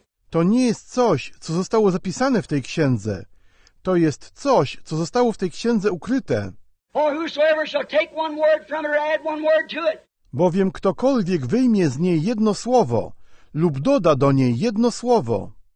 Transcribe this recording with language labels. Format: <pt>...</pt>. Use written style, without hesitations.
<pl>To nie jest coś, co zostało zapisane w tej księdze. To jest coś, co zostało w tej księdze ukryte.</pl> <en>For whosoever shall take one word from it or add one word to it.</en> <pl>Bowiem ktokolwiek wyjmie z niej jedno słowo lub doda do niej jedno słowo.</pl>